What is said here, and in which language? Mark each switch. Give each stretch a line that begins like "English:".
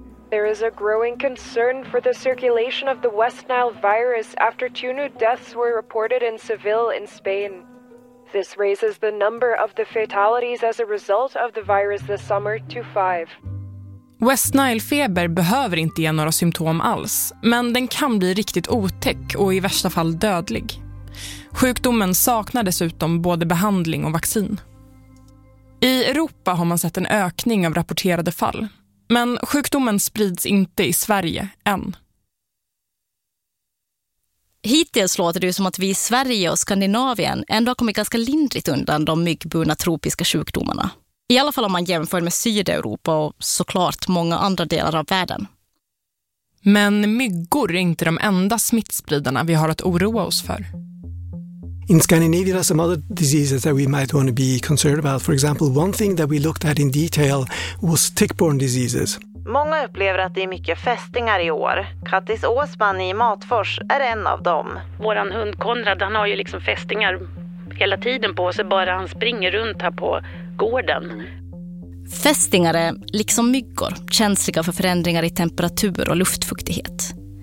English: There is a growing concern for the circulation of the West Nile virus after two new deaths were reported in Seville in Spain. This raises the number of the fatalities as a result of the virus this summer to 5.
Swedish: West Nile-feber behöver inte ge några symptom alls, men den kan bli riktigt otäck och i värsta fall dödlig. Sjukdomen saknar dessutom både behandling och vaccin. I Europa har man sett en ökning av rapporterade fall, men sjukdomen sprids inte i Sverige än. Hittills låter det som att vi i Sverige och Skandinavien ändå har kommit ganska lindrigt undan de myggburna tropiska sjukdomarna. I alla fall om man jämför med Sydeuropa och såklart många andra delar av världen. Men myggor är inte de enda smittspridarna vi har att oroa oss för.
English: In Scandinavia there are some other diseases that we might want to be concerned about. For example, one thing that we looked at in detail was tick-borne diseases.
Swedish: Många upplever att det är mycket fästingar i år. Kattis Åsman i Matfors är en av dem. Vår hund Konrad, han har ju liksom fästingar hela tiden på sig, bara han springer runt här på gården. Fästingar är, liksom myggor, känsliga för förändringar i temperatur och luftfuktighet.